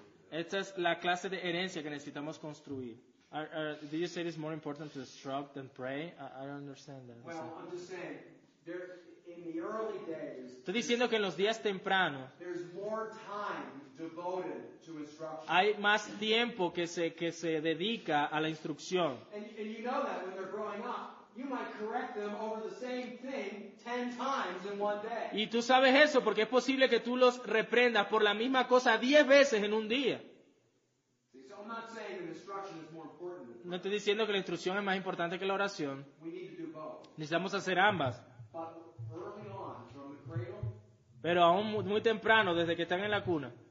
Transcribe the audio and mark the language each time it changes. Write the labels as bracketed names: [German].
[Spanish] Esta es la clase de herencia que necesitamos construir. [English] Did you say it's more important to instruct than pray? I don't understand that. Well, I'm just saying, in the early days, [Spanish] estoy diciendo que en los días tempranos [English] there's more time devoted to instruction. [Spanish] Hay más tiempo que se dedica a la instrucción. [English] And you know that when they're growing up. You might correct them over the same thing 10 times in one day. [Spanish] Y tú sabes eso porque es posible que tú los reprendas por la misma cosa 10 veces en un día. [English] See, so I'm not saying the instruction is more important than [Spanish] No estoy diciendo que la instrucción es más importante que la oración. [English] We need to do both. [Spanish] Necesitamos hacer ambas. [English] But early on, from the cradle, [Spanish] pero aún muy temprano, desde que están en la cuna,